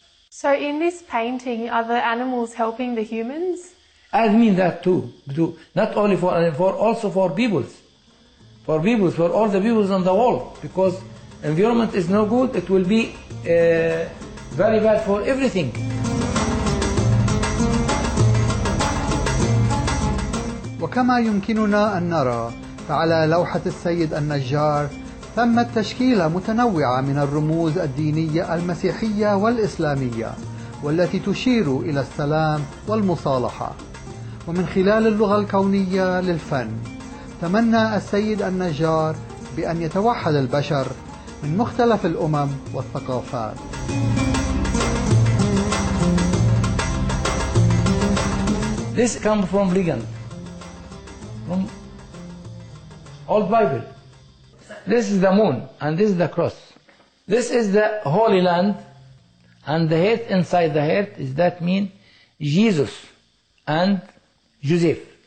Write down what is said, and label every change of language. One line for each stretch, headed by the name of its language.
English: So in this painting, are the animals helping the humans? I mean that too. Not only for animals, also for peoples. For peoples, for all the peoples in the world. Because environment is no good, it will be very bad for everything.
Arabic: وكما يمكننا أن نرى فعلى لوحة السيد النجار ثم تشكيلة متنوعة من الرموز الدينية المسيحية والإسلامية والتي تشير إلى السلام والمصالحة. ومن خلال اللغة الكونية للفن، تمنى السيد النجار بأن يتوحد البشر من مختلف الأمم والثقافات.
English: This comes from Ligan, from old Bible. This is the moon and this is the cross. This is the holy land and the head inside the head is that mean Jesus and Joseph.